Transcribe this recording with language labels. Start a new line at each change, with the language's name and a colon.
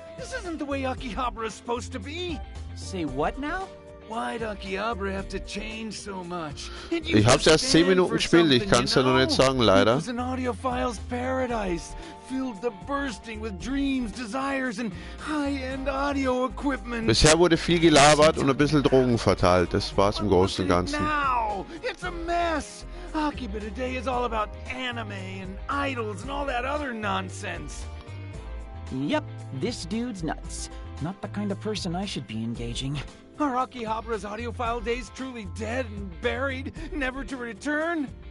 English: This isn't the way Akihabara is supposed to be! Say what now? Why'd Akihabara have to change so much?
German: Ich hab's erst 10 Minuten gespielt, ich kann's ja noch nicht sagen, leider.
English: It was an audiophile's paradise, filled the bursting with dreams, desires and high-end audio equipment.
German: Bisher wurde viel gelabert und ein bisschen Drogen verteilt, das war's im Großen und Ganzen.
English: Now, it's a mess! Akiba today is all about anime and idols and all that other nonsense. Yep, this dude's nuts. Not the kind of person I should be engaging. Are Akihabara's audiophile days truly dead and buried, never to return?